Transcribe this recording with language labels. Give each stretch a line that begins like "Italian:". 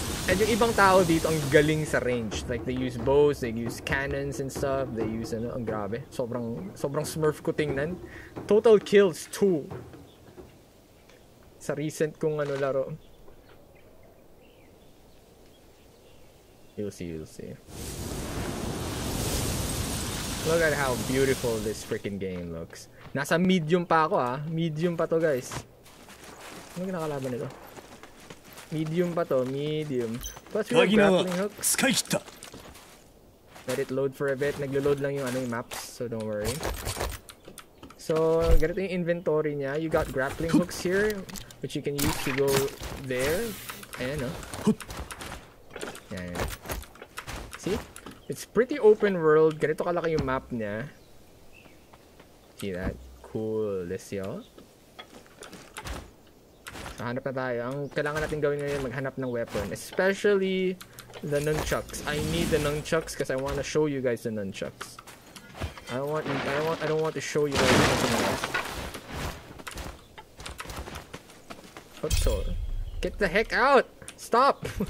Filipino: And yung ibang tao dito ang galing sa range.
English: Like, they use bows, they use cannons and stuff. They use,
Filipino: ano, ang grabe. Sobrang smurf ko tingnan. Total kills, 2. Sa recent kong ano laro.
English: You'll see. Look at how beautiful this freaking game looks.
Filipino: Nasa medium pa ako, ah. Medium pa to, guys. Ano kinakalaban nito? Medium pa to,
English: medium. Plus, we have grappling hook. Sky hit. Let it load for a bit.
Filipino: Naglo-load lang yung ano yung maps,
English: so don't worry.
Filipino: So, ganito yung inventory niya.
English: You got grappling hooks here, which you can use to go there. Ayan, no? Ayan. See? It's pretty open world.
Filipino: Ganito kalaki yung map niya.
English: See that? Cool. Let's see, oh.
Filipino: So, hanap na tayo. Ang kailangan natin gawin ngayon, maghanap ng weapon.
English: Especially the nunchucks. I need the nunchucks because I want to show you guys the nunchucks. I don't want to show you guys anything else. Oops, oh. Get the heck out! Stop!